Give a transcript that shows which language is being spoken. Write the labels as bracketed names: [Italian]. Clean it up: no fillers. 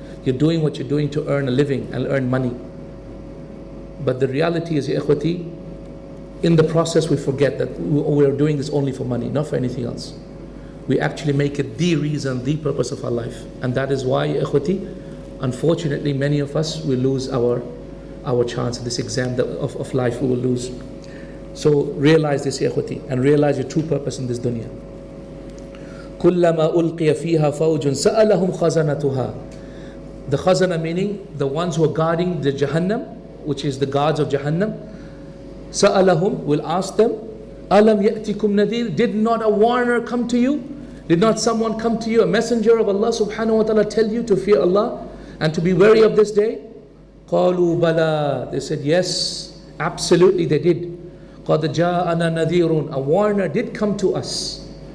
[English] You're doing what you're doing to earn a living and earn money. But the reality is, ikhwati, in the process we forget that we are doing this only for money, not for anything else. We actually make it the reason, the purpose of our life. And that is why, ikhwati, unfortunately many of us, we lose our chance at this exam of life, we will lose. So realize this, ikhwati, and realize your true purpose in this dunya. [Arabic] كلما ألقي فيها فوج سألهم خزنتها. [English] The khazana meaning the ones who are guarding the Jahannam, which is the guards of Jahannam. [Arabic] سألهم [English] will ask them, [Arabic] ألم يأتيكم نذير? [English] Did not a warner come to you? Did not someone come to you, a messenger of Allah subhanahu wa ta'ala, tell you to fear Allah and to be wary of this day? [Arabic] قالوا بلى. [English] They said, yes, absolutely they did. [Arabic] قد جاءنا نذير. [English] A warner did come to us.